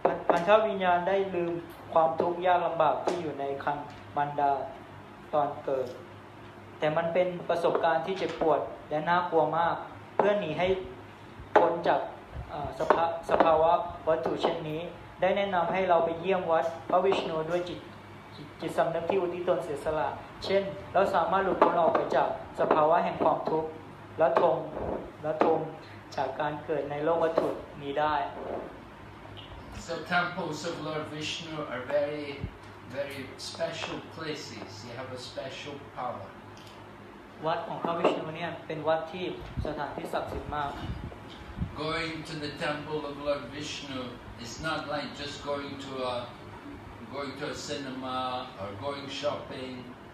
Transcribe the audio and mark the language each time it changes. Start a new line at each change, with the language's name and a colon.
Thai: พันธวิญญาณได้ลืมความทุกข์ยากลำบากที่อยู่ในขันมันดาตอนเกิดแต่มันเป็นประสบการณ์ที่เจ็บปวดและน่ากลัวมากเพื่อหนีให้พ้นจากสภาวะวัตถุเช่นนี้ได้แนะนำให้เราไปเยี่ยมวัดพระวิษณุด้วยจิต จิตสำนึกที่อุทิศตนเสียสละเช่นเราสามารถหลุดพ้นออกไปจากสภาวะแห่งความทุกข์และทงจากการเกิดในโลกวัตถุนี้ได้
English: So temples of Lord Vishnu are very very special places. You have a special power.
Thai: วัดของพระวิษณุเนี่ยเป็นวัดที่สถานที่ศักดิ์สิทธิ์มาก
English: Going to the temple of Lord Vishnu is not like just going to a cinema or going shopping.